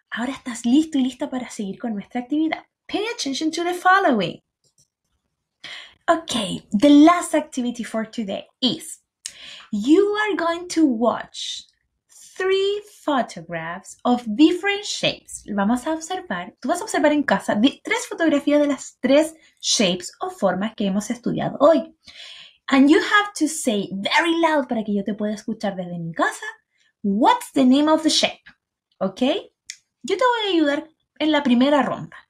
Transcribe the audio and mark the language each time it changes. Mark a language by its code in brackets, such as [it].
[es] Ahora estás listo y lista para seguir con nuestra actividad. [en] Pay attention to the following. Okay, the last activity for today is you are going to watch three photographs of different shapes. [es] Vamos a observar, tú vas a observar en casa tres fotografías de las tres shapes o formas que hemos estudiado hoy. [en] And you have to say very loud [es] para que yo te pueda escuchar desde mi casa, [en] what's the name of the shape? Okay? [es] Yo te voy a ayudar en la primera ronda.